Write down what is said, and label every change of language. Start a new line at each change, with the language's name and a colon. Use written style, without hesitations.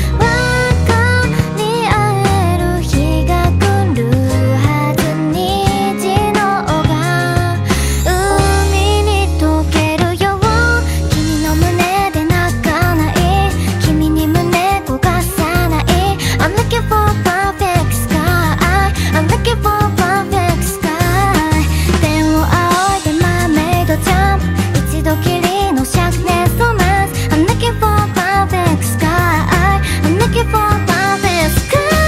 Japanese: 分かり合える日が来るはず、虹の尾が海に溶けるよ、君の胸で泣かない、君に胸焦がさない。
English: I'm looking for perfect sky, I'm looking for perfect sky。
Japanese: 天を仰いでマーメイドジャンプ、一度きりの灼熱ロマンス。
English: I'm looking for perfect sky, I'm looking for perfect sky。